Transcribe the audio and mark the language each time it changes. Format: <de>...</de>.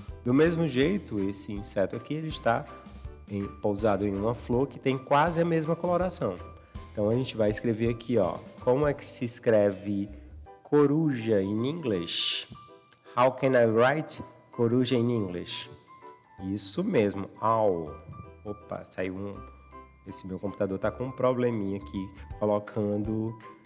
<pt>Do mesmo jeito, esse inseto aqui, ele está pousado em uma flor que tem quase a mesma coloração. Então, a gente vai escrever aqui, ó. Como é que se escreve coruja</pt> <en>in English? How can I write coruja in English?</en> <pt>Isso mesmo, owl. Opa, saiu um... Esse meu computador tá com um probleminha aqui, colocando...</pt>